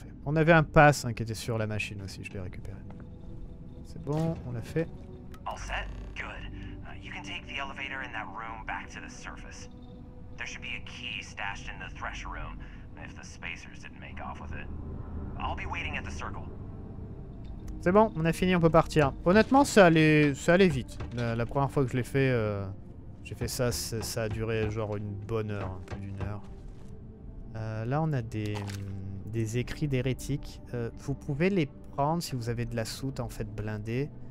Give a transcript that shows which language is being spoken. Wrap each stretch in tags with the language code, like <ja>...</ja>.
<fr>On avait un pass hein, qui était sur la machine aussi, je l'ai récupéré. C'est bon, on l'a fait.</fr> <en>All set? Good. You can take the elevator in that room back to the surface. There should be a key stashed in the thresh room, if the spacers didn't make off with it. I'll be waiting at the circle.</en> <fr>C'est bon, on a fini, on peut partir. Honnêtement, ça allait vite. La première fois que je l'ai fait, j'ai fait ça, ça a duré genre une bonne heure, un peu d'une heure. Là, on a des écrits d'hérétiques. Vous pouvez les prendre si vous avez de la soute en fait blindée.</fr>